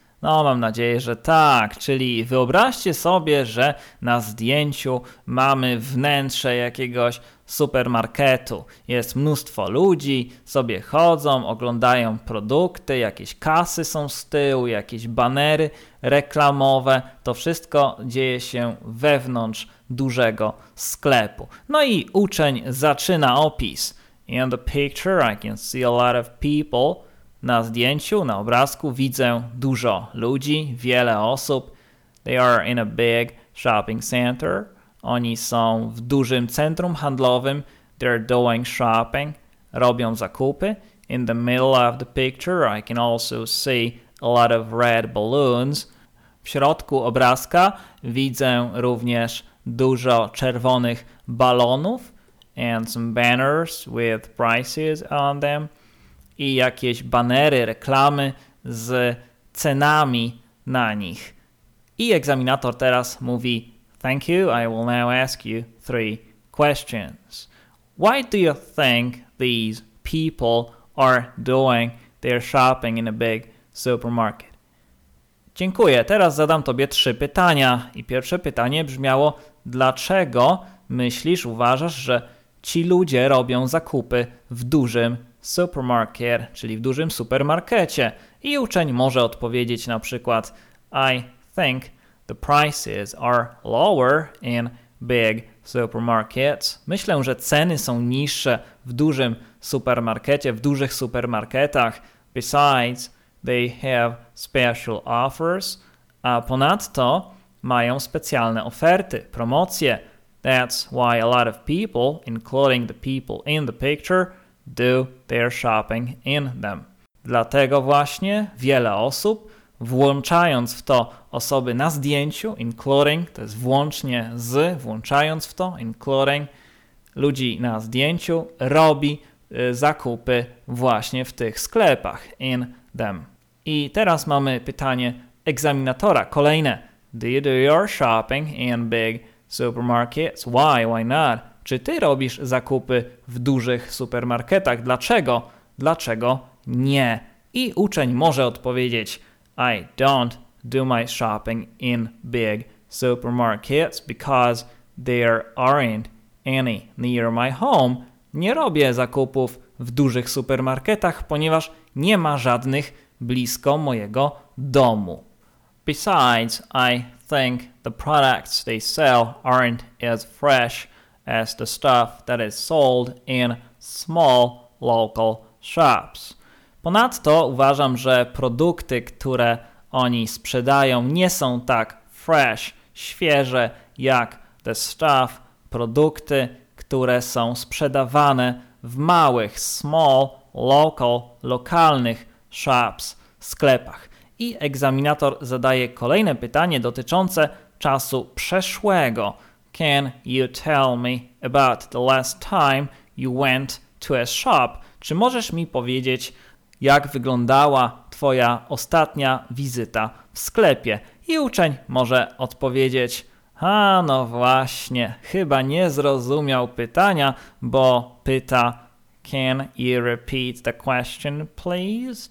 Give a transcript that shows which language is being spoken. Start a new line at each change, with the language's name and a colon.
Polish: No, mam nadzieję, że tak. Czyli wyobraźcie sobie, że na zdjęciu mamy wnętrze jakiegoś supermarketu. Jest mnóstwo ludzi, sobie chodzą, oglądają produkty, jakieś kasy są z tyłu, jakieś banery reklamowe. To wszystko dzieje się wewnątrz dużego sklepu. No i uczeń zaczyna opis.
English: In the picture I can see a lot of people.
Polish: Na zdjęciu, na obrazku widzę dużo ludzi, wiele osób.
English: They are in a big shopping center.
Polish: Oni są w dużym centrum handlowym.
English: They're doing shopping.
Polish: Robią zakupy.
English: In the middle of the picture I can also see a lot of red balloons.
Polish: W środku obrazka widzę również dużo czerwonych balonów
English: and some banners with prices on them.
Polish: I jakieś banery, reklamy z cenami na nich. I egzaminator teraz mówi:
English: Thank you, I will now ask you 3 questions. Why do you think these people are doing their shopping in a big supermarket?
Polish: Dziękuję, teraz zadam tobie 3 pytania. I pierwsze pytanie brzmiało: Dlaczego myślisz, uważasz, że ci ludzie robią zakupy w dużym supermarket, czyli w dużym supermarkecie. I uczeń może odpowiedzieć na przykład
English: I think the prices are lower in big supermarkets.
Polish: Myślę, że ceny są niższe w dużym supermarkecie, w dużych supermarketach.
English: Besides, they have special offers.
Polish: A ponadto mają specjalne oferty, promocje.
English: That's why a lot of people, including the people in the picture, do their shopping in them.
Polish: Dlatego właśnie wiele osób, włączając w to osoby na zdjęciu, including, to jest włącznie z, włączając w to, including ludzi na zdjęciu, robi zakupy właśnie w tych sklepach,
English: in them.
Polish: I teraz mamy pytanie egzaminatora, kolejne.
English: Do you do your shopping in big supermarkets? Why not?
Polish: Czy ty robisz zakupy w dużych supermarketach? Dlaczego? Dlaczego nie? I uczeń może odpowiedzieć
English: I don't do my shopping in big supermarkets because there aren't any near my home.
Polish: Nie robię zakupów w dużych supermarketach, ponieważ nie ma żadnych blisko mojego domu.
English: Besides, I think the products they sell aren't as fresh as the stuff that is sold in small local shops.
Polish: Ponadto uważam, że produkty, które oni sprzedają, nie są tak fresh, świeże, jak
English: the stuff,
Polish: produkty, które są sprzedawane w małych,
English: small, local,
Polish: lokalnych shops, sklepach. I egzaminator zadaje kolejne pytanie dotyczące czasu przeszłego.
English: Can you tell me about the last time you went to a shop?
Polish: Czy możesz mi powiedzieć, jak wyglądała twoja ostatnia wizyta w sklepie? I uczeń może odpowiedzieć, a no właśnie, chyba nie zrozumiał pytania, bo pyta,
English: can you repeat the question, please?